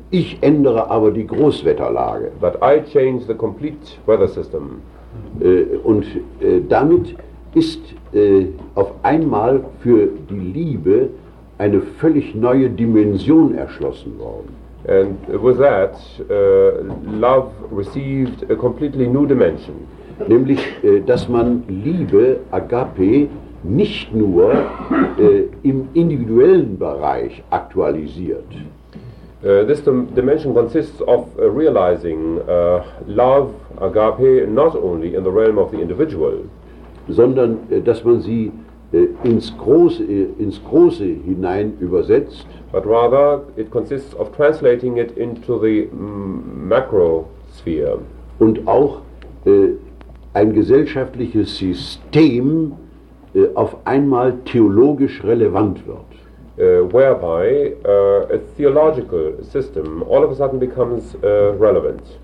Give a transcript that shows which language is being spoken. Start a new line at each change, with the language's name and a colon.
German: Ich ändere aber die Großwetterlage.
English: But I change the complete weather system.
German: Und damit ist auf einmal für die Liebe eine völlig neue Dimension erschlossen worden.
English: And with that, love received a completely new dimension.
German: Nämlich, dass man Liebe, Agape, nicht nur im individuellen Bereich aktualisiert.
English: This dimension consists of realizing love, agape, not only in the realm of the individual,
German: sondern dass man sie ins Große hinein übersetzt,
English: but rather it consists of translating it into the macro sphere.
German: Und auch ein gesellschaftliches System auf einmal theologisch relevant wird.
English: Whereby a theological system all of a sudden becomes relevant.